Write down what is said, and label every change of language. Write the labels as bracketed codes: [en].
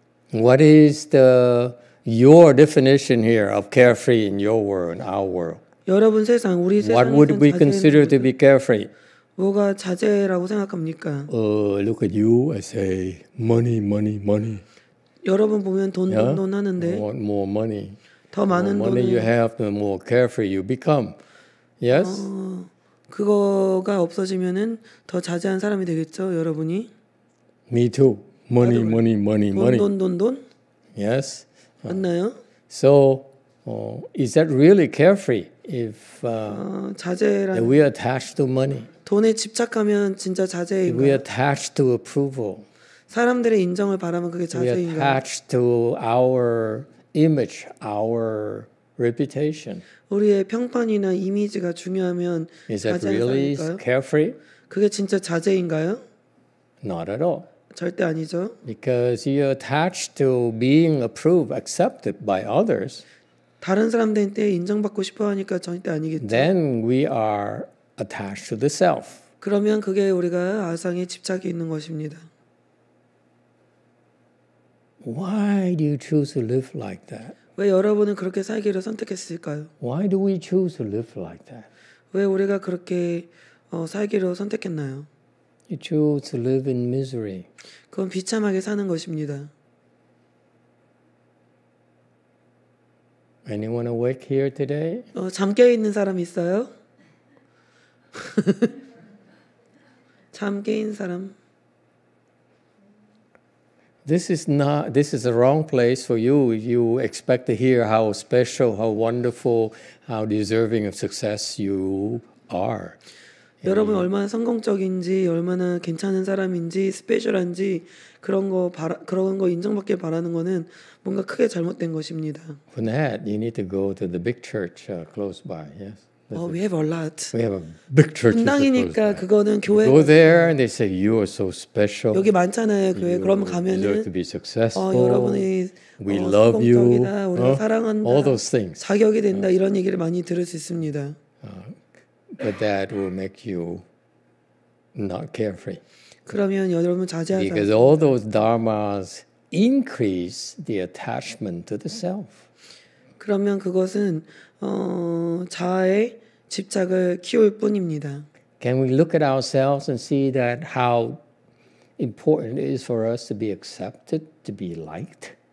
[en] What is your definition here of carefree in your world, in our world? [ko] 여러분 세상, 우리 세상에서 [en] What would we consider to be carefree? [ko] 뭐가 자제라고 생각합니까? [en] Look at you. I say money. [ko] 여러분 보면 돈 하는데 [en] more money. [ko] 더 많은 [en] more money [ko] 돈을 [en] you have, the more carefree you become. Yes? [ko] 그거가 없어지면은 더 자제한 사람이 되겠죠, 여러분이? [en] Me too. Money, [ko] 나도, [en] money, money, [ko] 돈, [en] money. [ko] 돈. [en] Yes. [ko] 맞나요? [en] So, is that really carefree? If [ko] 자제라 [en] we attach to money. [ko] 돈에 집착하면 진짜 자제인 [en] We attach to approval. [ko] 사람들의 인정을 바라면 그게 자제인가? [en] We attach to our image, our reputation. [ko] 우리의 평판이나 이미지가 중요하면 [en] Is that really carefree? [ko] 그게 진짜 자제인가요? [en] Not at all. [ko] 절대 아니죠. [en] Because you're attached to being approved, accepted by others. [ko] 다른 사람들한테 인정받고 싶어 하니까 절대 아니겠죠. [en] Then we are attached to the self. [ko] 그러면 그게 우리가 아상에 집착이 있는 것입니다. [en] Why do you choose to live like that? [ko] 왜 여러분은 그렇게 살기를 선택했을까요? [en] Why do we choose to live like that? [ko] 왜 우리가 그렇게 살기를 선택했나요? [en] You choose to live in misery. [ko] 그건 비참하게 사는 것입니다. [en] Anyone awake here today? [ko] 잠 깨 있는 사람 있어요? 잠 깨인 사람. [en] This is the wrong place for you. You expect to hear how special, how wonderful, how deserving of success you are. 여러분 얼마나 성공적인지, 얼마나 괜찮은 사람인지, 스페셜한지 그런 거 인정받길 바라는 거는 뭔가 크게 잘못된 것입니다. For that, you need to go to the big church close by. Yes. We have a lot. We have a big church. [ko] 흥당이니까 그거는 교회. [en] Go there and they say you are so special. [ko] 여기 많잖아요 교회. 그럼 가면은. [en] Deserve to be successful. [ko] 여러분이 [en] We love you. [ko] 우리 사랑한다. [en] All those things. [ko] 자격이 된다 이런 얘기를 많이 들을 수 있습니다. [en] But that will make you not carefree. [ko] 그러면 여러분 자제하지 않습니다. [en] Because all those dharmas increase the attachment to the self. [ko] 그러면 그것은 자아의 집착을 키울 뿐입니다. [en] Can we look at ourselves and see that how important it is for us to be accepted, to be liked?